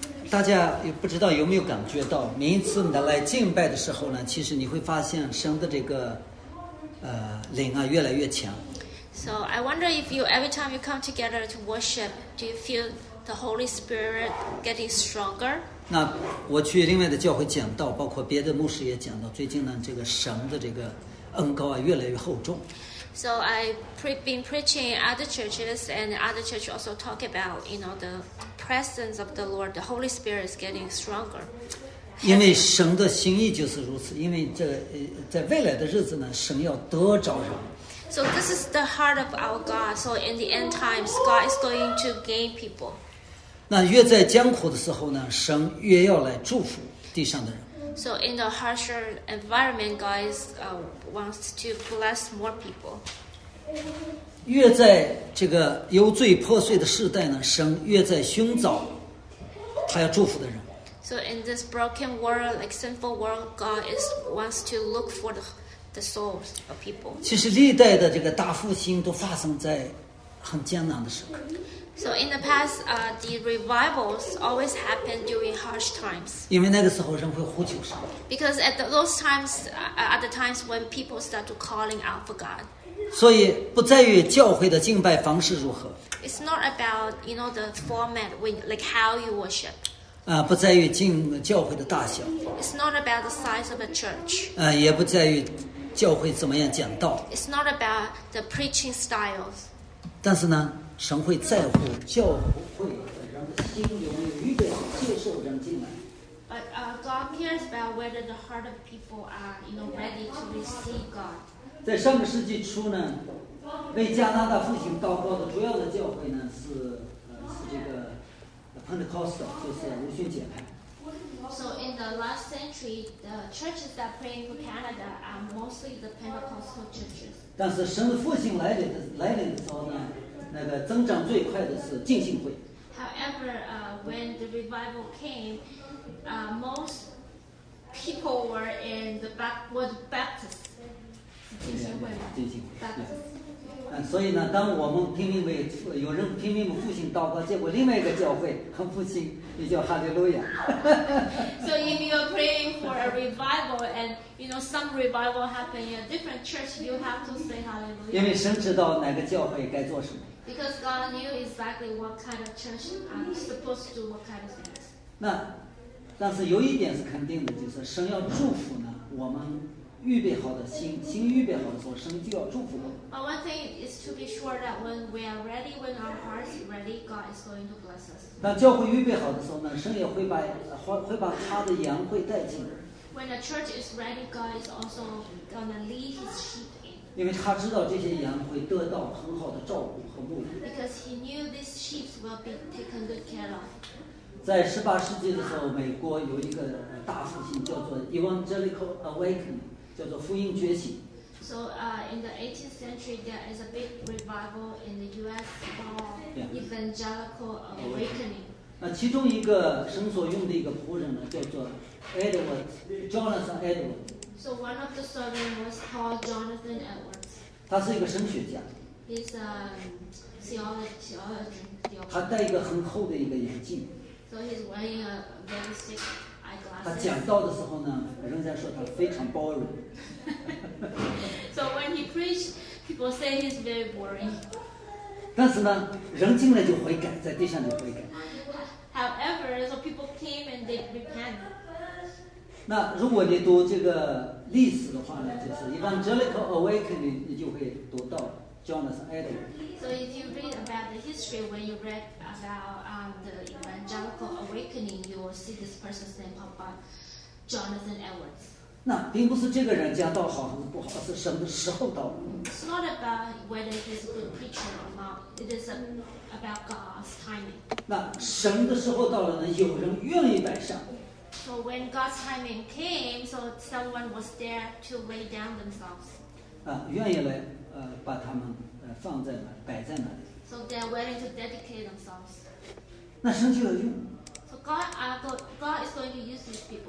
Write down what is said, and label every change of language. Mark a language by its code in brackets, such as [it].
[zh] 大家也不知道有没有感觉到，每一次你来敬拜的时候呢，其实你会发现神的这个灵啊越来越强。 [en] So I wonder if you every time you come together to worship, do you feel the Holy Spirit getting stronger? [zh] 那我去另外的教会讲到，包括别的牧师也讲到，最近呢这个神的这个恩膏啊越来越厚重。 [en] So I've been preaching at other churches, and other churches also talk about, you know, the presence of the Lord. The Holy Spirit is getting stronger. [zh] 因为神的心意就是如此。因为这在未来的日子呢，神要得着人。 [en] So this is the heart of our God. So in the end times, God is going to gain people. [zh] 那越在艰苦的时候呢，神越要来祝福地上的人。 [en] So in the harsher environment, God is, wants to bless more people. [zh] 越在这个有罪破碎的时代呢，神越在寻找他要祝福的人。 [en] So in this broken world, like sinful world, God is wants to look for the souls of people. [zh] 其实历代的这个大复兴都发生在很艰难的时刻。 [en] So in the past, the revivals always happened during harsh times. [zh] 因为那个时候人会呼求神。 [en] Because at those times, at the times when people start to calling out for God. [zh] 所以不在于教会的敬拜方式如何。 [en] It's not about, you know, the format, like how you worship. [zh] 不在于敬教会的大小。 [en] It's not about the size of a church. [zh] 也不在于教会怎么样讲道。 [en] It's not about the preaching styles. [zh] 但是呢？神会在乎教会的人的心有没有预备好接受人进来。 [en] God cares about whether the heart of people are, you know, ready to receive God. [zh] 在上个世纪初呢，为加拿大复兴祷告的主要的教会呢是这个 Pentecostal， 就是无逊解派。 [en] So in the last century, the churches that pray for Canada are mostly the Pentecostal churches. [zh] 但是神的复兴来临的时候呢？那个增长最快的是浸信会。 [en] However, when the revival came, most people were in the word Baptist. [zh] 浸信会。所以呢，当我们拼命为有人拼命复兴祷告，结果另外一个教会很复兴，也叫哈利路亚。 [en] So if you are praying for a revival and you know some revival happen in a different church, you have to say hallelujah. [zh] 因为神知道哪个教会该做什么。 [en] Because God knew exactly what kind of church I'm supposed to do, what kind of things. [zh] 那，但是有一点是肯定的，就是神要祝福呢，我们预备好的心预备好的时候，神就要祝福我们。 [en] But one thing is to be sure that when we are ready, when our hearts are ready, God is going to bless us. [zh] 那教会预备好的时候呢，神也会把他的羊会带进。 [en] When the church is ready, God is also going to lead his sheep. [zh] 因为他知道这些羊会得到很好的照顾。 [en] Because he knew these sheep will be taken good care of. [zh] 在十八世纪的时候，美国有一个大复兴，叫做 Evangelical Awakening， 叫做福音觉醒。 [en] So, in the 18th century, there is a big revival in the U.S. called Evangelical Awakening. [zh] 那其中一个神所用的一个仆人呢，叫做 Jonathan Edwards. [en] So one of the servants was called Jonathan Edwards. [zh] 他是一个神学家。 [en] He's a theologian. [zh] 他戴一个很厚的一个眼镜。 [en] So he's wearing a very thick eyeglasses. [zh] 他讲道的时候呢，人家说他非常 [en] boring. So when he preached, people say he's very boring. [zh] 但是呢，人进来就悔改，在地上就悔改。 [en] However, so people came and they repented. [zh] 那如果你读这个历史的话呢，就是 Evangelical Awakening， 你就会读到。 [en] So if you read about the history, when you read about the Evangelical Awakening, you will see this person's name pop up, Jonathan Edwards. [zh] 那并不是这个人讲道好还是不好，而是什么时候到。 [en] It's not about whether he's a good preacher or not. It is about God's timing. [zh] 那什么时候到了呢？有人愿意摆上。 [en] So when God's timing came, so someone was there to lay down themselves. [zh] 愿意来。把他们放在那，摆在那里。 [en] So they are willing to dedicate themselves. [zh] 那神就要用。 [en] So God is going to use these people.